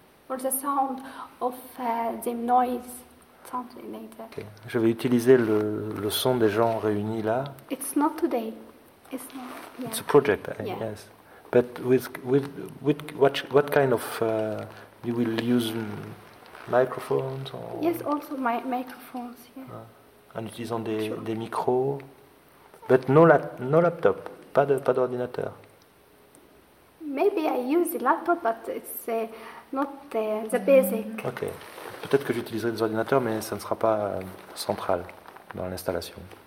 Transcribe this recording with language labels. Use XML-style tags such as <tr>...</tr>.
<en>Or the sound of the noise, something like that. Okay.</en> <fr>Je vais utiliser le son des gens réunis là.</fr> <en>It's not today. It's not. Yeah. It's a project. Yeah. Yes. But with what kind of you will use microphones? Or? Yes, also my microphones. Yeah.</en> <fr>En utilisant des micros,</fr> <en>but no laptop,</en> <fr>pas d'ordinateur.</fr> <en>Maybe I use the laptop, but it's not the basic. Ok.</en> <fr>Peut-être que j'utiliserai des ordinateurs, mais ça ne sera pas central dans l'installation.</fr>